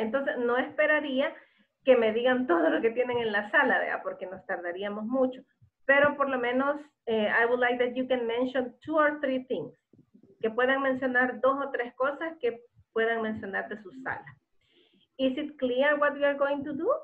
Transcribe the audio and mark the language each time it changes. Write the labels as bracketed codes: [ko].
[es] Entonces, no esperaría que me digan todo lo que tienen en la sala, ¿verdad? Porque nos tardaríamos mucho. Pero por lo menos, [en] I would like that you can mention 2 or 3 things. [es] Que puedan mencionar 2 o 3 cosas que puedan mencionar de su sala. [en] Is it clear what we are going to do?